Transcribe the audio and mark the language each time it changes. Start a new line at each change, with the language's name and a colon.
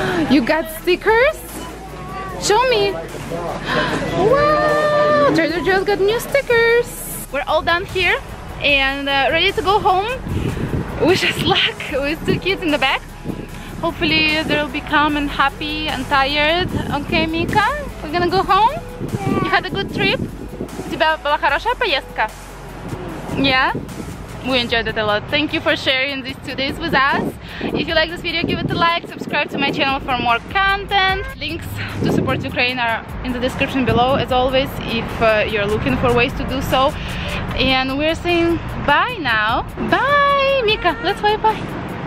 English: You got stickers? Show me! Wow! Trader Joe's got new stickers! We're all done here and ready to go home. Wish us luck with two kids in the back. Hopefully they'll be calm and happy and tired. Okay, Mika, we're gonna go home? Yeah. You had a good trip?
Russian: У тебя была хорошая поездка?
English: Yeah? We enjoyed it a lot. Thank you for sharing these 2 days with us. If you like this video, give it a like, subscribe to my channel for more content. Links to support Ukraine are in the description below, as always, if you're looking for ways to do so. And we're saying bye now. Bye, Mika. Let's wave bye.